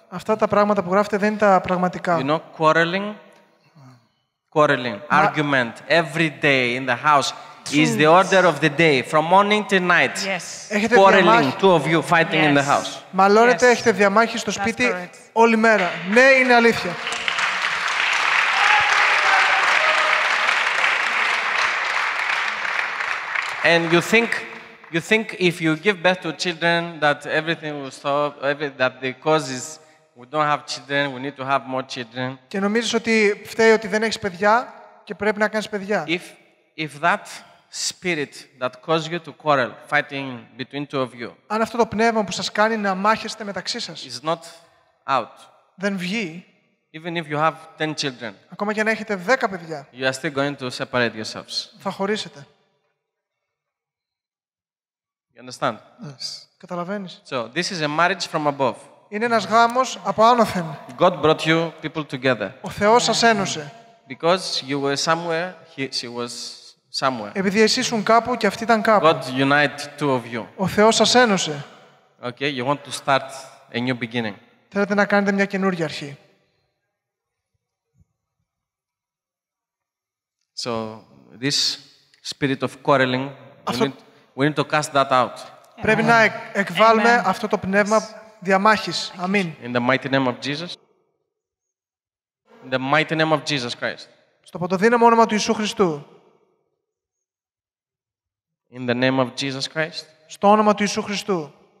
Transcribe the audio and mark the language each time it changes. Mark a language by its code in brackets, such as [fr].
[el] Αυτά τα πράγματα που γράφετε δεν είναι τα πραγματικά. [en] You know, quarreling, argument every day in the house is the order of the day from morning to night. Yes. Quarreling, two of you fighting in the house. [el] Μαλώνετε, έχετε διαμάχη στο σπίτι όλη μέρα. Ναι, είναι αλήθεια. [en] And you think if you give birth to children that everything will stop, that the cause is we don't have children, we need to have more children. [el] Και νομίζεις ότι φταίει ότι δεν έχεις παιδιά και πρέπει να κάνεις παιδιά. [en] If that spirit that caused you to quarrel, fighting between two of you. [el] Αν αυτό το πνεύμα που σας κάνει να μάχεστε μεταξύ σας. [en] Is not out. [el] Δεν βγει. [en] Even if you have 10 children. [el] Ακόμα και αν έχετε 10 παιδιά. [en] You are still going to separate yourselves. [el] Θα χωρίσετε. [en] You understand? Yes. [el] Καταλαβαίνεις. [en] So this is a marriage from above. [el] Είναι ένας γάμος από άνωθεν. [en] God brought you people together. [el] Ο Θεός σας ένωσε. [en] Because you were somewhere, she was somewhere. [el] Επειδή εσύ ήσουν κάπου και αυτή ήταν κάπου. [en] God united two of you. [el] Ο Θεός σας ένωσε. [en] Okay, you want to start a new beginning. [el] Θέλετε να κάνετε μια καινούργια αρχή. [en] So this spirit of quarreling, we need to cast that out. [el] Πρέπει να εκβάλουμε αυτό το πνεύμα διαμάχης. Αμήν. [en] In the mighty name of Jesus. In the mighty name of Jesus Christ. [el] Στο ποτοδύναμο όνομα του Ιησού Χριστού. [en] In the name of Jesus Christ. [el] Στο όνομα του Ιησού Χριστού.